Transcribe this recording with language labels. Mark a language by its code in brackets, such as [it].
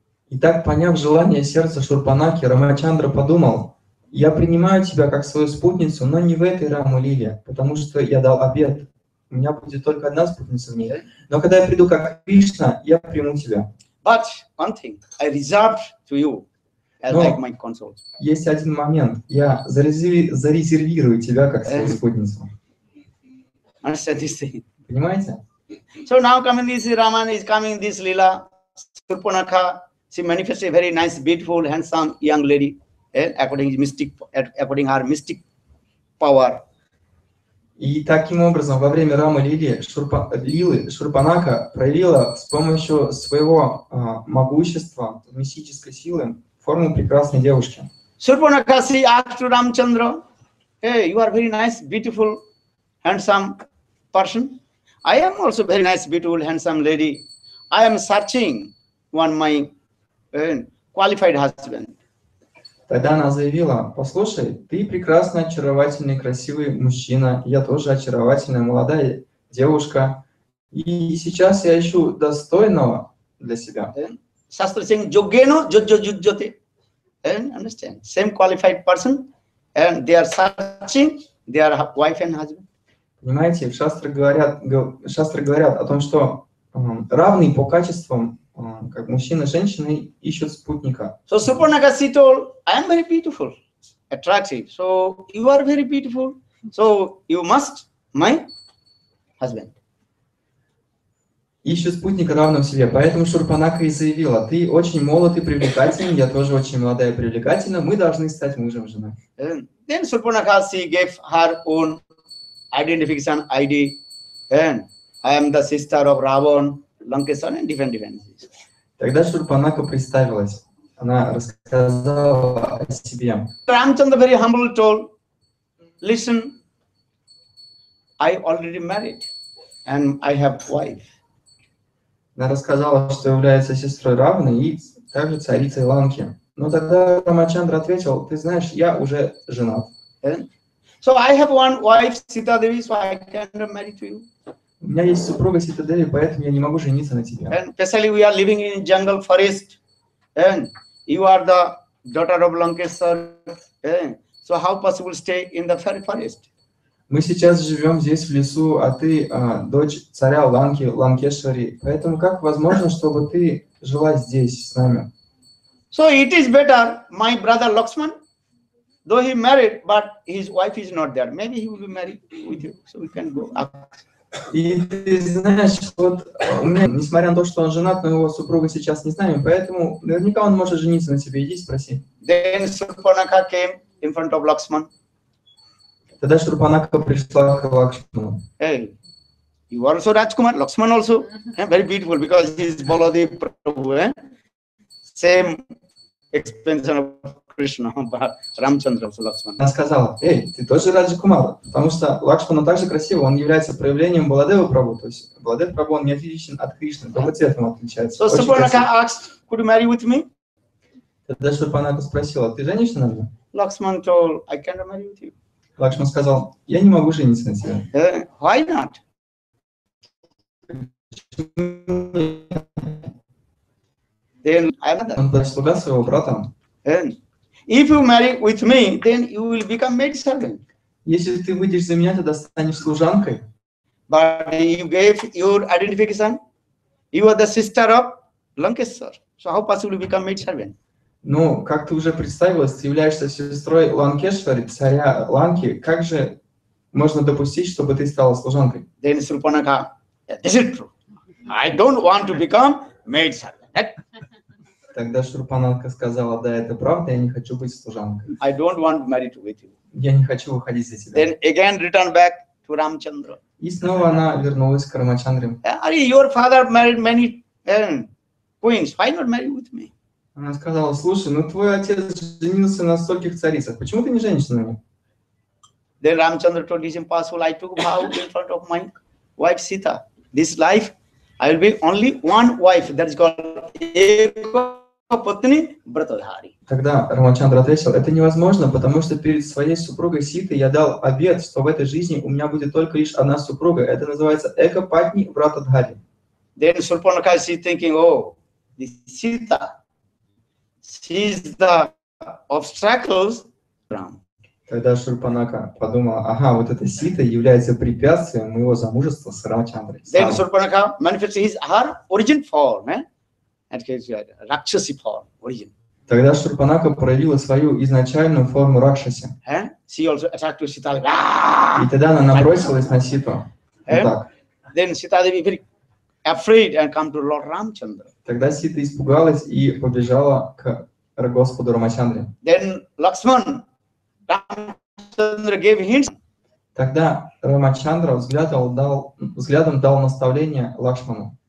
[ru] Итак, поняв желание сердца Шурпанаки, Рамачандра подумал, я принимаю тебя как свою спутницу, но не в этой Раму Лиле, потому что я дал обет. У меня будет только одна спутница в ней. Но когда я приду как Кришна, я приму тебя. [en] But one thing, I reserved to you as like my consort. [ru] Есть один момент. Я зарезервирую тебя как свою спутницу. [en] Understand this thing. [ru] Понимаете? [en] So now coming this Raman is coming this Lila, Surpanakha, she manifests a very nice, beautiful, handsome young lady, according her mystic power. [ru] И таким образом, во время Рамы Лилы, Шурпанака проявила с помощью своего могущества, мистической силы, форму прекрасной девушки. [en] Surpanakha, she asked to Ramchandra, hey, you are very nice, beautiful, handsome, person, I am also very nice, beautiful, handsome lady. I am searching one my qualified husband. [ru] Тогда она заявила: послушай, ты прекрасный, очаровательный, красивый мужчина. Я тоже очаровательная молодая девушка. И сейчас я ищу достойного для себя. [en] Shastra saying, Jogeno, Jojojujjote. Understand? Same qualified person, and they are searching their wife and husband. [ru] Понимаете, в шастры говорят о том, что равные по качествам, как мужчины и женщины, ищут спутника. [en] So Surpanakha told, I am very beautiful, attractive. So you are very beautiful. So you must my husband. [ru] Ищут спутника равным себе. Поэтому Шурпанака и заявила, ты очень молод и привлекательный, я тоже очень молодая и привлекательная, мы должны стать мужем и женой. [en] Then Surpanakha gave her own identification ID, and I am the sister of Ravan, Lankeshan, and different defenses. [ru] Тогда Шурпанака представилась. Она рассказала о себе. [en] Рамчандра very humble told, listen, I already married, and I have wife. [ru] Она рассказала, что является сестрой Равны и также царицей Ланки. Но тогда Рамачандра ответил, ты знаешь, я уже женат. [en] So I have one wife, Sita Devi, so I cannot marry to you. [ru] У меня есть супруга Сита Деви, поэтому я не могу жениться на тебе. [en] And especially we are living in jungle forest, and you are the daughter of Lankeshwar. So how possible stay in the forest? [ru] Мы сейчас живем здесь в лесу, а ты дочь царя Ланки, Ланкешвари. Поэтому как возможно, чтобы ты жила здесь с нами? [en] So it is better, my brother Lakshman. Though he married, but his wife is not there. Maybe he will be married with you, so we can go up. [ru] И ты знаешь, вот у меня, несмотря на то, что он женат, но его супруга сейчас не с нами, поэтому наверняка он может жениться на тебе. Иди спроси. [en] Then Surpanakha came in front of Lakshman. [ru] Тогда Шурпанака пришла к Лакшману. [en] Hey, you are also Rajkumar, Lakshman also, very beautiful because he is Baladev Prabhu, same expansion of Кришна, Рамчандра, Лакшмана. [ru] Она сказала, эй, ты тоже Раджакумар, потому что Лакшмана также красивый, он является проявлением Баладева Прабху, то есть Баладев Прабху, он не отличен от Кришны, только цветом отличается. [en] So Surpanakha asked, could you marry with me? [ru] Тогда Шурпанака спросила, ты женишься на мне? [en] Лакшман told, I can't marry with you. [ru] Лакшман сказал, я не могу жениться на тебя. [en] Why not? Then I [ru] Он прислуга своего брата. [en] If you marry with me, then you will become maid servant. [ru] Если ты выйдешь за меня, тогда станешь служанкой. [en] But you gave your identification, You are the sister of Lankeshwar. So how possible you become maid servant? [ru] Ну, как ты уже представилась, ты являешься сестрой Ланкешвари, царя Ланки. Как же можно допустить, чтобы ты стала служанкой? [en] Then Srupanaka, this is true. I don't want to become maid servant. [ru] Тогда Шурпанака сказала, да, это правда, я не хочу быть служанкой. [en] I don't want to marry with you. [ru] Я не хочу выходить за тебя. [en] Then again return back to Ramchandra. [ru] И снова она вернулась к Рамачандре. [en] Are your father married many queens? Why not marry with me? [ru] Она сказала, слушай, ну твой отец женился на стольких царицах, почему ты не женишься на нем? [en] Then Ramchandra told his impossible, I took vow in front of my wife Sita. This life I will be only one wife, that is called Eka Patni Vratadhari. [ru] Тогда Рамачандра ответил, это невозможно, потому что перед своей супругой Ситой я дал обет, что в этой жизни у меня будет только лишь одна супруга. Это называется Eka Patni Vratadhari. [en] Then Srupanaka is thinking, this Sita, she is the obstacles Ram. [ru] Тогда Шурпанака подумала, ага, вот эта Сита является препятствием моего замужества с Рамачандрой. [en] Then Srupanaka manifested his her origin form, Rakshasi form, origin. [ru] Тогда Шурпанака проявила свою изначальную форму Ракшаси. [en] She also attacked Sita. [ru] И тогда она набросилась на Ситу. [en] Then Sita Devi very afraid and come to Lord Ramchandra. [ru] Тогда Сита испугалась и побежала к Господу Рамачандре. [en] Then Lakshman. Ramchandra gave hints. [ru] Тогда Рамачандра взглядом дал наставление Лакшману.